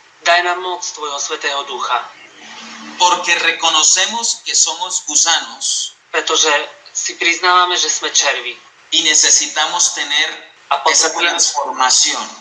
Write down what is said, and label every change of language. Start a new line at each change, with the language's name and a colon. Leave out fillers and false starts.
Slovak: Daj nám moc tvojho Svätého Ducha.
Spanish: Porque reconocemos que somos gusanos.
Slovak: Pretože si priznávame, že sme červi.
Spanish: Y necesitamos tener esa transformación.